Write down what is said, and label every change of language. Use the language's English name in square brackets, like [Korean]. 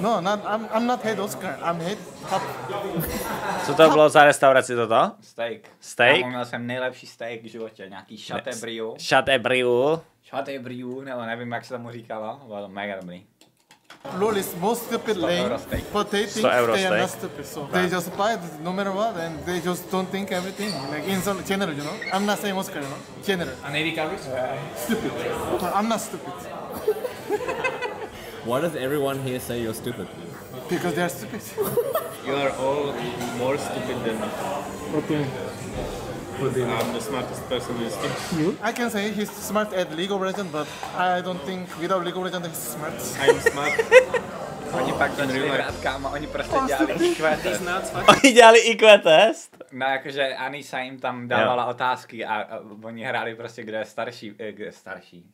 [English] No, I'm not hate Oscar, I'm hate Pap. [Czech] Co to bylo za restauraci toto? Steak. Já měl jsem nejlepší steak v životě, nějaký Chateaubriand. Chateaubriand, nebo nevím, jak se tomu říkalo, bylo to mega dobrý. [English] LOL is most stupid lane, but they think they are not stupid, so they just buy it no matter what, and they just don't think everything, like in some general, you know? I'm not saying Oscar, you know? General. And Eric Harris? Stupid. But I'm not stupid. Why does everyone here say you're stupid? Because they are stupid. You are all more stupid than me. Okay. I'm the smartest person in this game. You? I can say he's smart at League of Legends, but I don't think without League of Legends he's smart. I'm smart. [Czech] Oni pak to dělali rád, kámo, oni prostě dělali IQ-test. Oni dělali IQ-test? No jakože Anisa jim tam dávala otázky a oni hráli prostě, kdo je starší.